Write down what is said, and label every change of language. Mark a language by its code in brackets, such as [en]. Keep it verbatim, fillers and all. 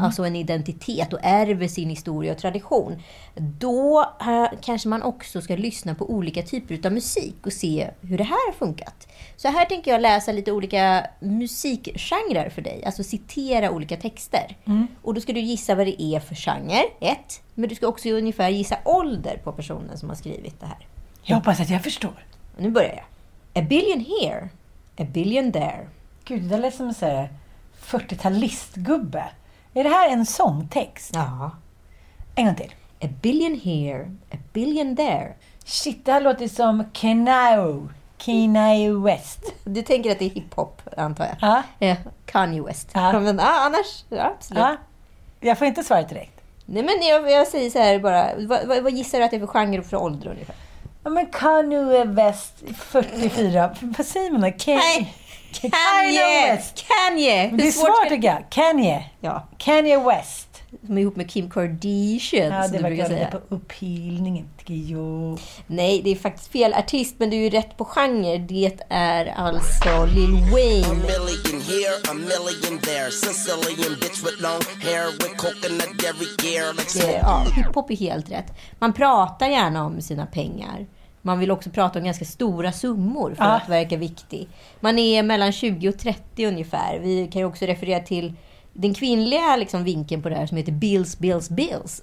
[sv] alltså en identitet och ärver sin historia och tradition, då kanske man också ska lyssna på olika typer av musik och se hur det här har funkat. Så här tänker jag läsa lite olika musikgenrer för dig, alltså citera olika texter. Mm. Och då ska du gissa vad det är för genre, ett. Men du ska också ungefär gissa ålder på personen som har skrivit det här. Jag hoppas att jag förstår. Nu börjar jag. [en] A billion here, a billion there. [sv] Gud, det lät som att säga fyrtiotalistgubbe. Är det här en sångtext? Ja. En gång till. [en] A billion here, a billion there. [sv] Shit, det här låter som Kanye, Kanye West. Du tänker att det är hiphop, antar jag. Ja. Ja, Kanye West. Ja. Men ja, annars, ja, absolut. Ja. Jag får inte svara direkt. Nej, men jag, jag säger så här bara. Vad, vad, vad gissar du att det är för genre och för ålder ungefär? Ja, men Kanye West, fyrtiofyra. Vad säger man då? Kanye. Nej. Kanye West. Kanye. Det är svårt tycker jag. Kanye. Ja. Kanye West. Som är ihop med Kim Kardashian. Ja, det som var jag på upphilningen tycker jag. Nej, det är faktiskt fel artist, men du är ju rätt på genre. Det är alltså Lil Wayne. [en] A million here, a million there. Sicilian bitch with long hair with coconut every year. [sv] Like ja, hiphop är helt rätt. Man pratar gärna om sina pengar. Man vill också prata om ganska stora summor för ah. att verka viktig. Man är mellan tjugo och trettio ungefär. Vi kan ju också referera till den kvinnliga liksom vinkeln på det här som heter Bills, Bills, Bills.